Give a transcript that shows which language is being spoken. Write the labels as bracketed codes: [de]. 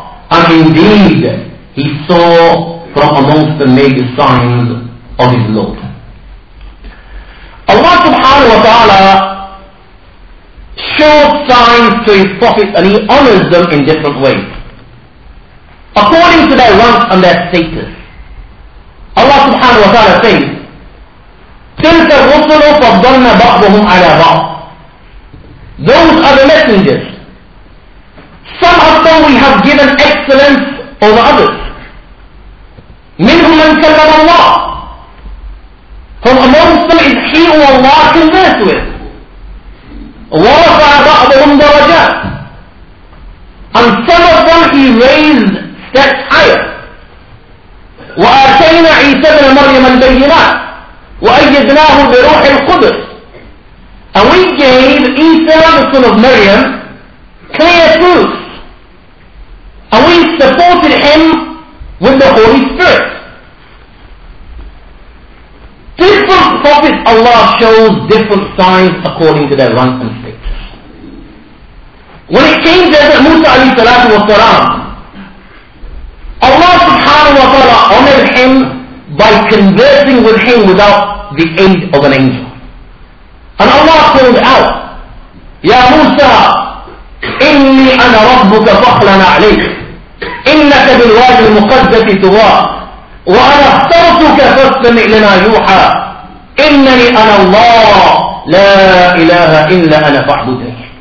[en] And indeed, he saw from amongst the major signs of his Lord. Allah subhanahu wa ta'ala showed signs to his prophets and he honors them in different ways, according to their rank and their status. Allah subhanahu wa ta'ala says, [ar] تِلْكَ الرُّسُلُ فَضَّلْنَا بَعْضُهُمْ عَلَىٰ بَعْضٍ. [en] Those are the messengers. Some of them we have given excellence over others. [ar] مِنْهُمْ مَنْ كَلَّمَ اللَّهُ. [en] From amongst them is he who Allah conversed with. [ar] وَرَفَعَ بَعْضُهُمْ دَرَجَاتٍ. [en] And some of them he raised steps higher. [ar] وَآتَيْنَا عِيسَى بْنَ مَرْيَمَ الْبَيِّنَاتِ وَأَيَّدْنَاهُ بِرُوحِ الْقُدُسِ. [en] And we gave Isa, the son of Maryam, clear proof. And we supported him with the Holy Spirit. Different prophets Allah shows different signs according to their rank and status. When it came to Hazrat Musa alayhi salatu wa salam, Allah subhanahu wa ta'ala honored him by conversing with him without the aid of an angel. And Allah called out, Ya Musa, [ar] إِنِّي أَنَا رَبُّكَ فَخْلَنَا عَلَيْكَ إِنَّكَ بِالْوَادِ الْمُقَدَّسِ تُوَى وَأَنَا اخْتَرْتُكَ فَاسْتَمِعْ لِنَا يُوحَى إِنَّنِي أَنَا اللَّهُ لَا إِلَهَ إِلَّا أَنَا فَاعْبُدْنِي.